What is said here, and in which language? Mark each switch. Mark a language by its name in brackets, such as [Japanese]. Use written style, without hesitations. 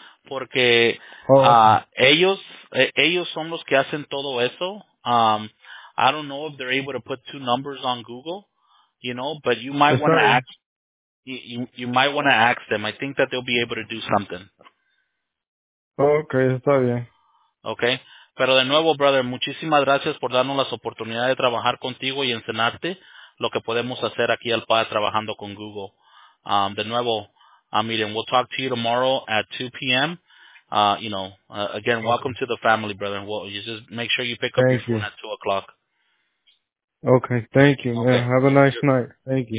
[Spanish] Porque ellos son los que hacen todo eso. [English] I don't know if they're able to put two numbers on Google, but you might want to ask. You might want to ask them. I think that they'll be able to do something. [Spanish] Okay, está bien. Okay, pero de nuevo, [English] brother, [Spanish] muchísimas gracias por darnos las oportunidades de trabajar contigo y enseñarte lo que podemos hacer aquí al PAD trabajando con Google. De nuevo. Miren, [English] we'll talk to you tomorrow at 2 p.m. Again, welcome to the family, brother. Well, you just make sure you pick up your phone at 2 o'clock. Okay, thank you, man. Have a nice night. Thank you.